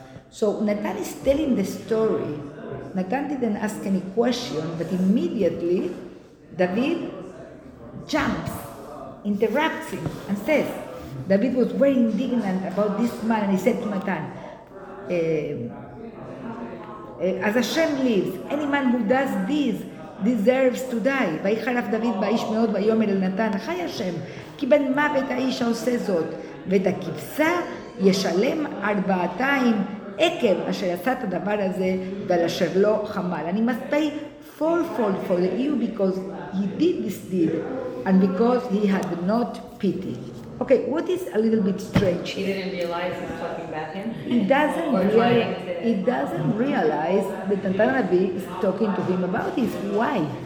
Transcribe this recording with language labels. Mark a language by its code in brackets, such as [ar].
[en] So Natan is telling the story. Natan didn't ask any question, but immediately David jumps, interrupts him, and says, David was very indignant about this man, and he said to Natan, as Hashem lives, any man who does this deserves to die. [he] ויחרף דוד באיש מאוד ויאמר אל נתן, חי השם, כי בן מוות האיש העושה זאת, ואת הכבשה ישלם ארבעתיים, עקב אשר עשה את הדבר הזה ועל אשר לא חמל. [en] אני must pay fourfold for the ewe because he did this deed and because he had not pity. Okay, what is a little bit strange? He didn't realize he's talking about him. He doesn't realize that Tantara Nabi is talking to him about his wife.